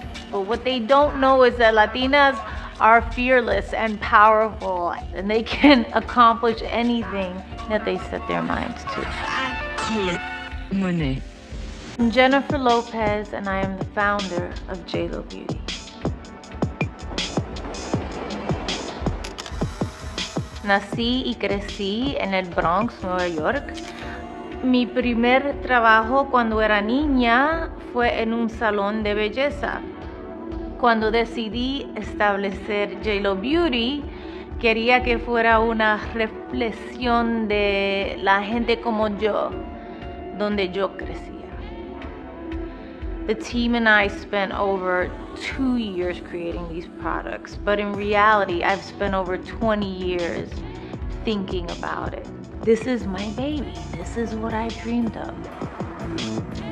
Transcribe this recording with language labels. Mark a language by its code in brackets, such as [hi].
[en] But what they don't know is that Latinas are fearless and powerful, and they can accomplish anything that they set their minds to. I'm Jennifer Lopez, and I am the founder of JLo Beauty. [es] Nací y crecí en el Bronx, Nueva York. Mi primer trabajo cuando era niña fue en un salón de belleza. Cuando decidí establecer JLo Beauty, quería que fuera una reflexión de la gente como yo, donde yo crecía. [en] The team and I spent over 2 years creating these products, but in reality, I've spent over 20 years thinking about it. This is my baby. This is what I dreamed of.